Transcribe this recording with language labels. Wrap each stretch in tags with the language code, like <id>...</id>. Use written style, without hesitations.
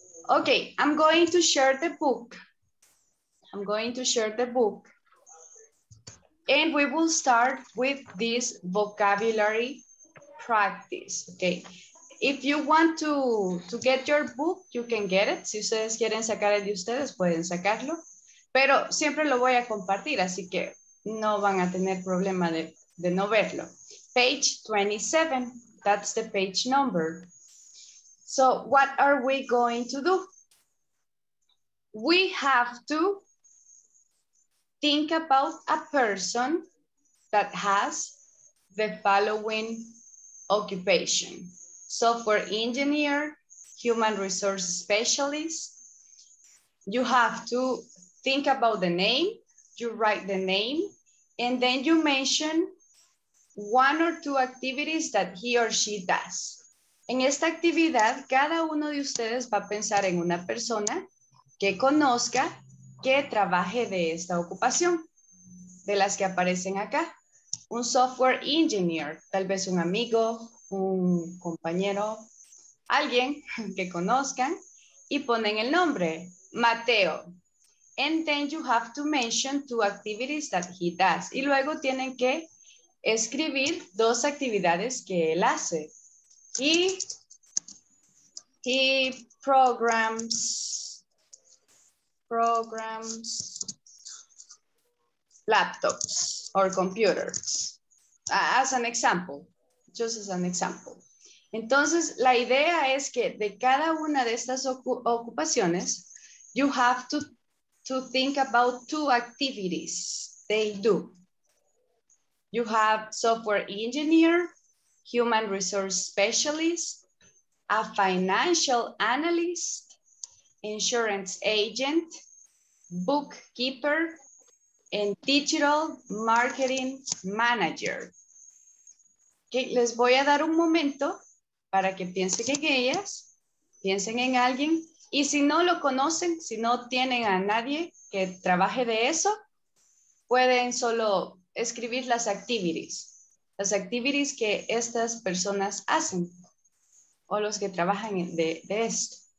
<en>Okay, I'm going to share the book. I'm going to share the book. And we will start with this vocabulary practice, okay? If you want to get your book, you can get it.</en> <es>Si ustedes quieren sacar el de ustedes, pueden sacarlo. Pero siempre lo voy a compartir, así que no van a tener problema de no verlo.</es> <en>Page 27, that's the page number. So what are we going to do? We have to think about a person that has the following occupation. Software engineer, human resource specialist. You have to think about the name, you write the name, and then you mention one or two activities that he or she does.</en> <es>En esta actividad, cada uno de ustedes va a pensar en una persona que conozca, que trabaje de esta ocupación, de las que aparecen acá. Un software engineer, tal vez un amigo, un compañero, alguien que conozcan, y ponen el nombre, Mateo.</es> <en>And then you have to mention two activities that he does.</en> <es>Y luego tienen que escribir dos actividades que él hace.</es> <en>He programs laptops or computers. As an example, just as an example. Entonces, la idea es que de cada una de estas ocupaciones, you have to think about two activities they do. You have software engineer, human resource specialist, a financial analyst, insurance agent, bookkeeper, and digital marketing manager.</en> <es>Okay, les voy a dar un momento para que piensen en ellas, piensen en alguien, y si no lo conocen, si no tienen a nadie que trabaje de eso, pueden solo escribir las activities que estas personas hacen o los que trabajan de esto.</es>